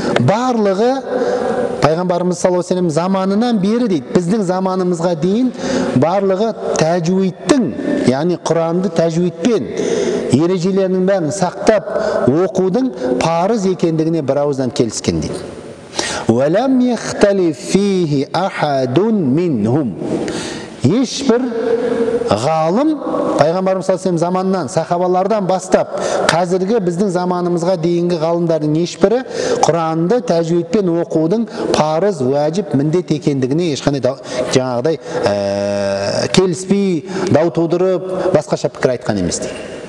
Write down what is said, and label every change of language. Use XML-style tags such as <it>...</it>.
<kk>Барлығы Пайғамбарымыз саллаллаху алейхи ва саллям заманынан бері дейді. Біздің заманымызға дейін барлығы тәжвидтің, яғни Құранды тәжвидпен ережелерінің бәрін сақтап оқудың парыз екендігіне бір ауыздан келіскен дейді.</kk> <ar>Уалам йахталиф фихи ахадун минхум.</ar> <kk>Ешбір ғалым Пайғамбарымыз саллаллаху алейхи ва саллям заманынан сахабалардан бастап қазіргі біздің заманымызға дейінгі ғалымдардың ешбірі Құранды тәжвидпен оқудың парыз, уәжіп, міндет екендігіне ешқандай жаңағыдай келіспей, дау тудырып, басқаша пікір айтқан емес дейді.</kk>